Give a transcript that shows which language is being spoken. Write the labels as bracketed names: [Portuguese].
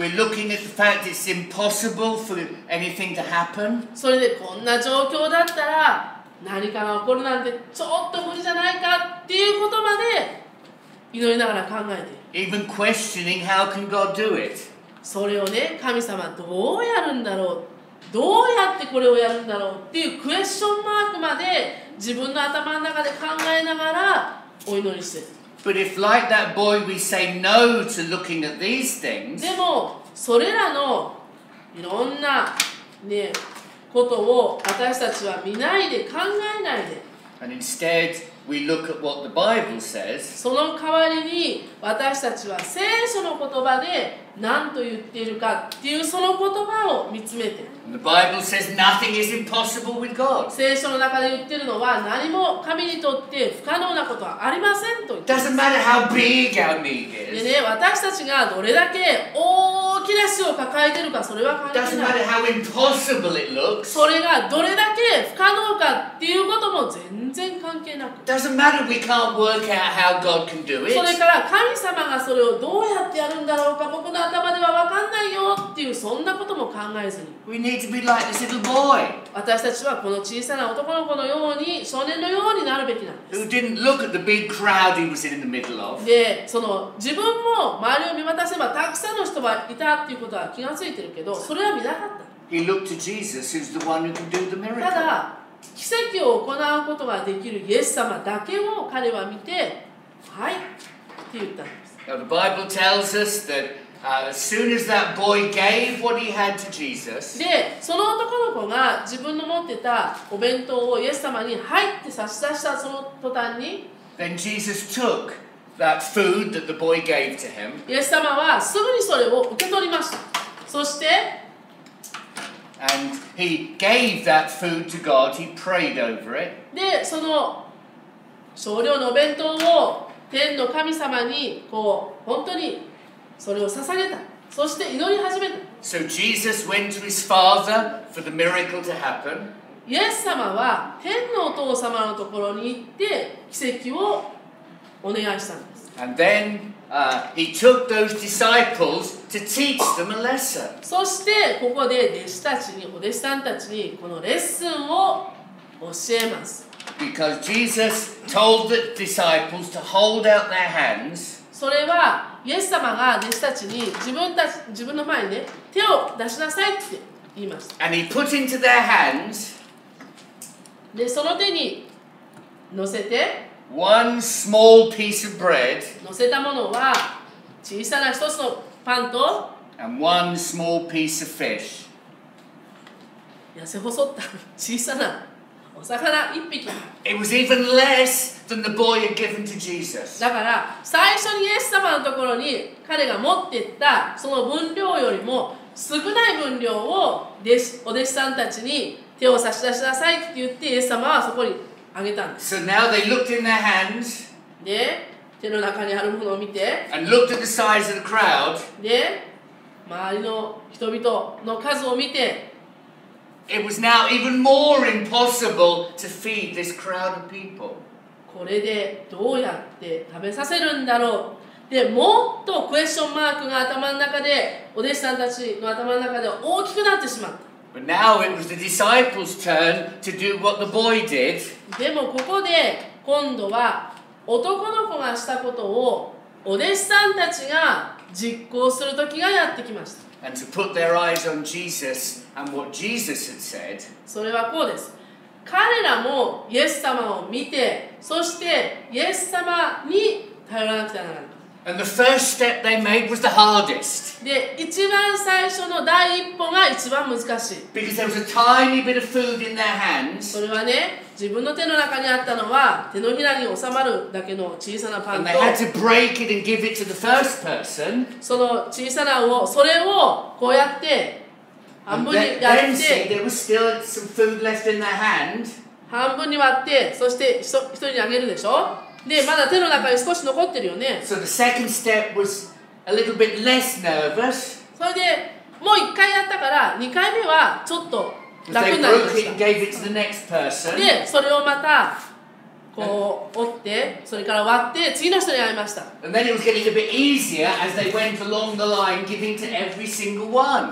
[English] We're looking at the fact it's impossible for anything to happen. [Japanese] それでこんな状況だったら何かが起こるなんてちょっと無理じゃないかっていうことまで祈りながら考えてる。 [English] Even questioning how can God do it. [Japanese] それをね、神様どうやるんだろう、どうやってこれをやるんだろうっていうクエスチョンマークまで自分の頭の中で考えながらお祈りしてる。 [English] But if like that boy we say no to looking at these things. [Japanese] でもそれらのいろんなね、ことを私たちは見ないで考えないで。 [English] And instead we look at what the Bible says. [Japanese] その代わりに私たちは聖書の言葉で何と言っているかっていうその言葉を見つめて。 [English] The Bible says nothing is impossible with God. [Japanese] 聖書の中で言っているのは何も神にとって不可能なことはありませんと言っています。 [English] Doesn't matter how big our need is. [Japanese] でね、私たちがどれだけ大きな死を抱えているかそれは関係ない。 [English] Doesn't matter how impossible it looks. [Japanese] それがどれだけ不可能かっていうことも全然関係なく。 [English] Doesn't matter we can't work out how God can do it. [Japanese] それから神様がそれをどうやってやるんだろうか僕の頭では分かんないよっていうそんなことも考えずに。 [English] To be like this little boy. [Japanese] 私たちはこの小さな男の子のように少年のようになるべきなんです。 [English] Who didn't look at the big crowd he was in the middle of? [Japanese] で、その自分も周りを見渡せばたくさんの人がいたっていうことは気がついてるけど、それは見なかった。 [English] He looked to Jesus, who's the one who can do the miracle. [Japanese] ただ奇跡を行うことができるイエス様だけを彼は見て、はいって言ったんです。 [English] Now, the Bible tells us that. As soon as that boy gave what he had to Jesus, [Japanese] で、その男の子が自分の持ってたお弁当をイエス様に入って差し出したその途端に、 [English] Then Jesus took that food that the boy gave to him. [Japanese] イエス様はすぐにそれを受け取りました。そして、 [English] And he gave that food to God. He prayed over it. [Japanese] で、その少量のお弁当を天の神様にこう本当にそれを捧げた。そして祈り始めた。 [English] So Jesus went to his father for the miracle to happen. [Japanese] イエス様は天のお父様のところに行って奇跡をお願いしたんです。 [English] And then he took those disciples to teach them a lesson. [Japanese] そしてここで弟子たちに、お弟子さんたちにこのレッスンを教えます。 [English] Because Jesus told the disciples to hold out their hands. [Japanese] それはイエス様が弟子たちに自分の前にね、手を出しなさいって言いました。 [English] And he put into their hands. [Japanese] で、その手に乗せて。 [English] One small piece of bread. [Japanese] 乗せたものは小さな一つのパンと。 [English] And one small piece of fish. [Japanese] 痩せ細った小さな。お魚一匹。 [English] It was even less than the boy had given to Jesus. [Japanese] だから最初にイエス様のところに彼が持っていったその分量よりも少ない分量をお弟子さんたちに手を差し出しなさいって言ってイエス様はそこにあげたんです。 [English] So now they looked in their hands. [Japanese] で、手の中にあるものを見て。 [English] And looked at the size of the crowd. [Japanese] で、周りの人々の数を見て。 [English] It was now even more impossible to feed this crowd of people. [Japanese] これでどうやって食べさせるんだろう。で、もっとクエスチョンマークが頭の中で、お弟子さんたちの頭の中で大きくなってしまった。 [English] But now it was the disciples' turn to do what the boy did. [Japanese] でもここで今度は男の子がしたことをお弟子さんたちが実行する時がやってきました。 [English] And to put their eyes on Jesus and what Jesus had said. [Japanese] それはこうです。彼らもイエス様を見て、そしてイエス様に頼らなくてはならない。 [English] And the first step they made was the hardest. [Japanese] で、一番最初の第一歩が一番難しい。 [English] Because there was a tiny bit of food in their hands. [Japanese] それはね、自分の手の中にあったのは手のひらに収まるだけの小さなパンと。 [English] And they had to break it and give it to the first person. [Japanese] その小さなを、それをこうやって半分にやって。 [English] And then see, there was still some food left in their hand. [Japanese] 半分に割って、そして一人にあげるでしょ。で、まだ手の中に少し残ってるよね。 [English] So the second step was a little bit less nervous. [Japanese] それで、もう一回やったから、二回目はちょっと楽になりました。 [English] They broke it and gave it to the next person. [Japanese] で、それをまた、こう折って、それから割って、次の人に会いました。 [English] And then it was getting a bit easier as they went along the line, giving to every single one.